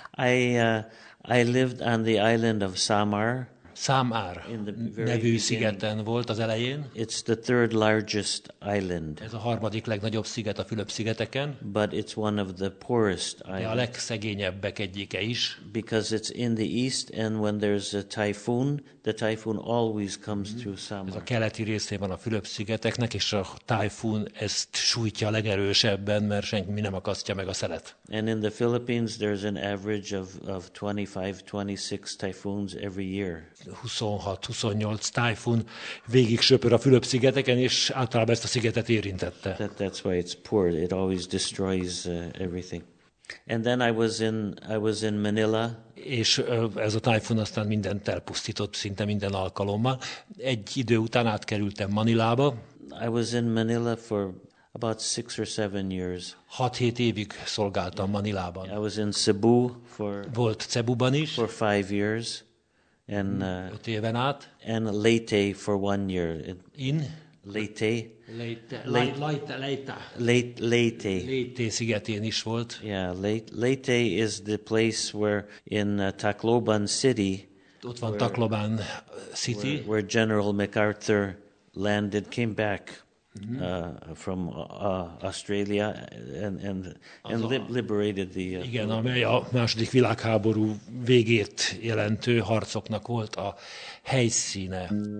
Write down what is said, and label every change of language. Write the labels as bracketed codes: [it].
[en] I lived on the island of Samar. [hu] Samar nevű szigeten volt az elején. [en] It's the third largest island. [hu] Ez a harmadik legnagyobb sziget a Fülöp-szigeteken. [en] But it's one of the poorest islands. [hu] De a legszegényebbek egyike is. [en] Because it's in the east, and when there's a typhoon, the typhoon always comes through Samar. [hu] Ez a keleti részében a Fülöp-szigeteknek, és a typhoon ezt sújtja legerősebben, mert senki nem akasztja meg a szelet. [en] And in the Philippines, there's an average of 25-26 typhoons every year. [hu] 26-28 tájfun végig söpör a Fülöp-szigeteken, és általában ezt a szigetet érintette. [en] That's why it's poor. It always destroys everything. And then I was in Manila. [hu] És ez a tájfun aztán mindent elpusztított, szinte minden alkalommal. Egy idő után átkerültem Manilába. [en] I was in Manila for about 6 or 7 years. [hu] 6-7 évig szolgáltam Manilában. [en] I was in Cebu for. [hu] Volt Cebuban is. [en] For 5 years. [hu] And 5 éven át. [en] And Leyte for 1 year. In Leyte. [hu] Leyte. Leyte szigetén is volt. [en] Yeah, Leyte is the place where in Tacloban City. [hu] Ott van Tacloban City. [en] Where General MacArthur landed, came back from Australia and liberated the. [hu] Igen, amely a második világháború végét jelentő harcoknak volt a helyszíne.